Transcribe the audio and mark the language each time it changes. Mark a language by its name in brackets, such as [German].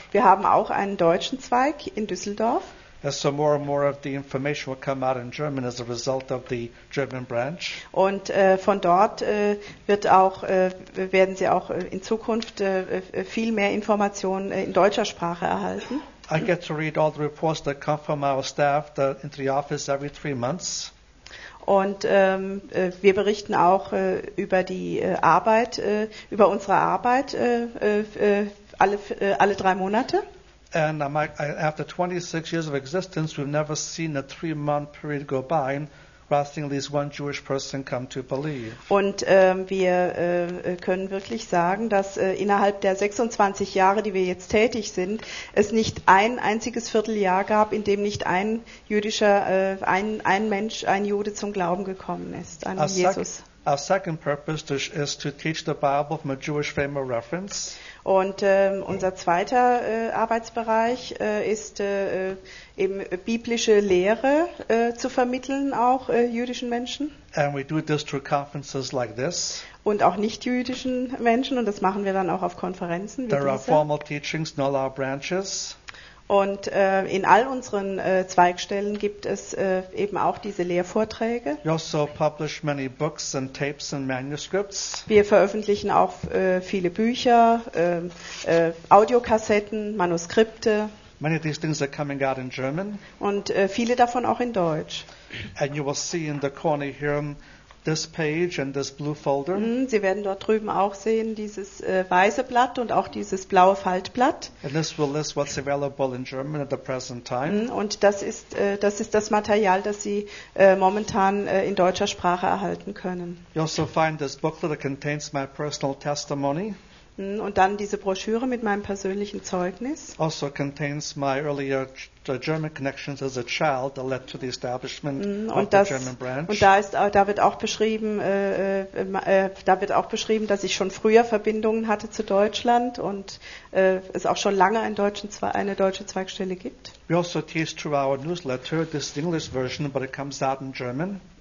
[German] Wir haben auch einen deutschen Zweig in Düsseldorf. [English] So more and more of the information will come out in German as a result of the German branch. [German] Und von dort werden Sie auch in Zukunft viel mehr Informationen in deutscher Sprache erhalten. [English] I get to read all the reports that come from our staff into the office every 3 months. [German] Und wir berichten auch über die Arbeit, über unsere Arbeit alle 3 Monate. [English] And after 26 years of existence, we've never seen a 3-month period go by rather than this one Jewish person come to believe. [German] Und wir können wirklich sagen, dass innerhalb der 26 Jahre, die wir jetzt tätig sind, es nicht ein einziges Vierteljahr gab, in dem nicht ein jüdischer, ein Mensch, ein Jude zum Glauben gekommen ist an Jesus. [English] Our second purpose is to teach the Bible from a Jewish frame of reference. [German] Und unser zweiter Arbeitsbereich ist eben biblische Lehre zu vermitteln, auch jüdischen Menschen. [English] And we do this through conferences like this. [German] Und auch nicht-jüdischen Menschen, und das machen wir dann auch auf Konferenzen wie [English] There [German] diese. [English] Are formal teachings in all our branches. [German] Und in all unseren Zweigstellen gibt es eben auch diese Lehrvorträge. [English] We also publish many books and tapes and manuscripts. [German] Wir veröffentlichen auch viele Bücher, Audiokassetten, Manuskripte. [English] Many of these things are coming out in German. [German] Und viele davon auch in Deutsch. [English] And you will see in the corner here this page and this blue folder. [German] Sie werden dort drüben auch sehen dieses weiße Blatt und auch dieses blaue Faltblatt. [English] And this will list what's available in German at the present time. [German] Und das ist das Material, das Sie momentan in deutscher Sprache erhalten können. [English] You also find this booklet that contains my personal testimony. [German] Und dann diese Broschüre mit meinem persönlichen Zeugnis. [English] Also contains my earlier German connections as a child that led to the establishment of the German branch. [German] Und da wird auch beschrieben, dass ich schon früher Verbindungen hatte zu Deutschland und es auch schon lange eine deutsche Zweigstelle gibt. [English] We also teach through our newsletter. This is the English version, but it comes out in German.